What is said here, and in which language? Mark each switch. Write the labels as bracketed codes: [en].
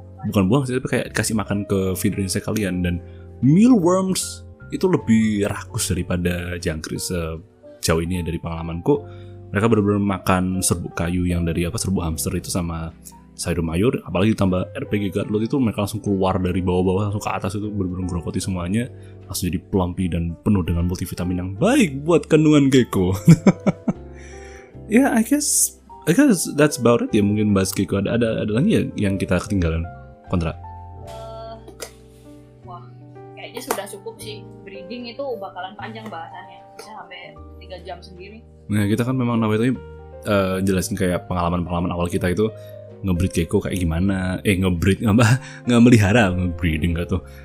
[id] bukan buang sih, tapi kayak kasih makan ke feederin sekalian. Dan mealworms itu lebih rakus daripada jangkrik sejauh ini ya, dari pengalamanku. Mereka benar-benar makan serbuk kayu yang dari apa, serbuk hamster itu sama sayur mayur, apalagi ditambah RPG Godlord itu, mereka langsung keluar dari bawah-bawah langsung ke atas, itu benar-benar ngerokoti semuanya, langsung jadi plumpy dan penuh dengan multivitamin yang baik buat kandungan gecko. [en] Ya, yeah, I guess that's about it ya, mungkin bahas gecko. [id] Ada lagi ya yang kita ketinggalan, Contra? Kayaknya sudah cukup sih, breeding itu bakalan panjang bahasannya, bisa sampai 3 jam sendiri. Nah, kita kan memang nawetanya jelasin kayak pengalaman-pengalaman awal kita itu ngebreed gecko kayak gimana, ngebreeding gitu.